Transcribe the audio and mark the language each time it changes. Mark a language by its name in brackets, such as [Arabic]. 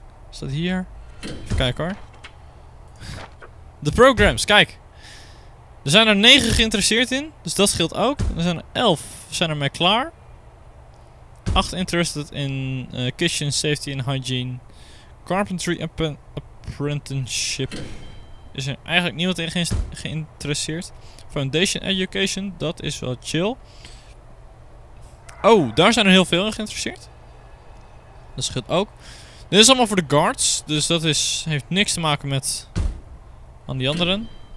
[Dutch] is dat hier? Even kijken hoor. De programs, kijk. Er zijn er 9 geïnteresseerd in. Dus dat scheelt ook. Er zijn er 11. We zijn ermee klaar. [English] 8 interested in kitchen safety and hygiene. Carpentry apprenticeship. [Dutch] Is er eigenlijk niemand in geïnteresseerd? Foundation education, dat is wel chill. Oh, daar zijn er heel veel in geïnteresseerd. Dat scheelt ook. Dit is allemaal voor de guards. Dus dat heeft niks te maken met aan die anderen.